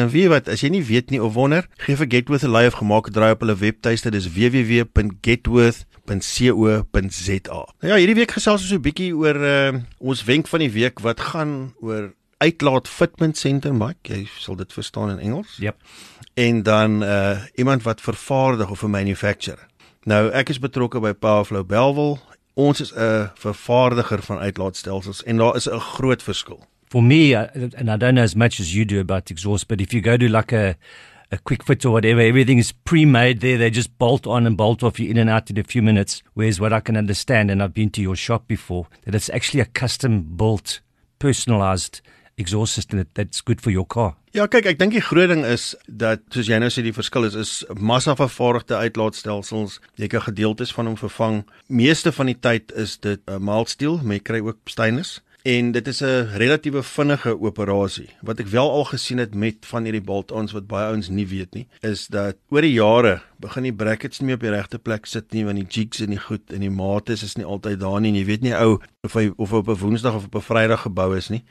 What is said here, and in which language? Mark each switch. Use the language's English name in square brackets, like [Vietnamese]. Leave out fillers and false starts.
[Afrikaans] En weet jy wat, as jy nie weet nie of wonder, geef vir Getworth 'n lui of gemaak 'n draai op hulle webtuiste, dis www.getworth.co.za. Nou ja, hierdie week gesels ons so 'n bietjie oor ons wenk van die week wat gaan oor uitlaat [English] fitment center, [Afrikaans] Mike, jy sal dit verstaan in Engels. [English] Yep. [Afrikaans] En dan iemand wat vervaardig of 'n manufacturer. Nou, ek is betrokke by Pelflow Bellville. Ons is 'n vervaardiger van uitlaatstelsels en daar is 'n groot verskil. [English] For me, and I don't know as much as you do about exhaust, but if you go to like a quick fit or whatever, everything is pre-made there. They just bolt on and bolt off you in and out in a few minutes. Whereas what I can understand, and I've been to your shop before, that it's actually a custom built personalized exhaust system that's good for your car. [Afrikaans] Ja, kyk, ek dink die groot ding is dat, soos jy nou sê, die verskil is massa vervaardigde uitlaatstelsels. Jy kan gedeeltes van hom vervang. Meeste van die tyd is dit mild steel, maar jy kry ook stainless. En dit is 'n relatiewe vinnige operasie. Wat ek wel al gesien het met van hierdie bolt-ons wat baie ouens nie weet nie, is dat oor die jare begin die brackets nie meer op die regte plek sit nie, want die jigs en die goed en die mate is nie altyd daar nie. En jy weet nie ou of hy op 'n Woensdag of op 'n Vrydag gebou is nie.